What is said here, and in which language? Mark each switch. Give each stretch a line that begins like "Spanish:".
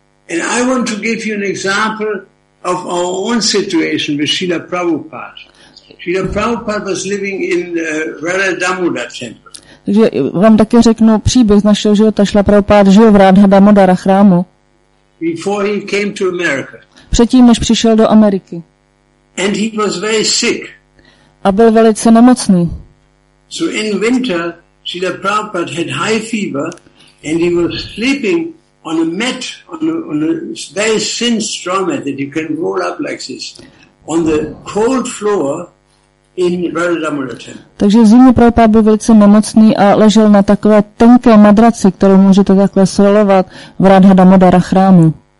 English: And I want to give you an example of our own situation with Srila Prabhupada. Srila Prabhupada was living in the Radha Damoda temple.
Czech: Takže vám také řeknu příběh z našeho života. Srila Prabhupada žil v Radha Damodara chrámu.
English: Before he came to America.
Czech: Předtím, než přišel do Ameriky.
English: And he was very sick.
Czech: A byl velice nemocný.
English: So in winter, Srila Prabhupada had high fever and he was sleeping on a mat, on a very thin straw mat that you can roll up like this, on the cold floor in Radha Damodara temple.
Czech: Takže v zimě Prabhupada byl velice nemocný a ležel na takové tenké madraci, kterou můžete takhle svalovat v Radha Damodara chrámu.